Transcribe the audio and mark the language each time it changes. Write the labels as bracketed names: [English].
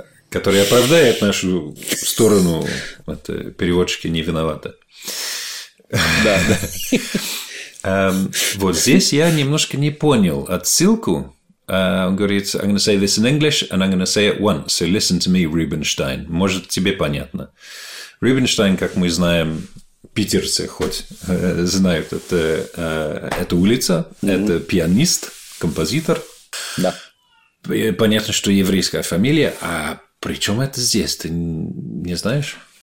[Russian] Который оправдает нашу сторону, переводчики не виноваты. Да. Вот здесь я немножко не понял отсылку. Он говорит, [English] I'm going to say this in English, and I'm going to say it once, so listen to me, Rubenstein. [Russian] Может, тебе понятно. Рубинштейн, как мы знаем, питерцы хоть знают, это улица, это пианист, композитор. Да. Понятно, что еврейская фамилия, а при чем это здесь, ты не знаешь?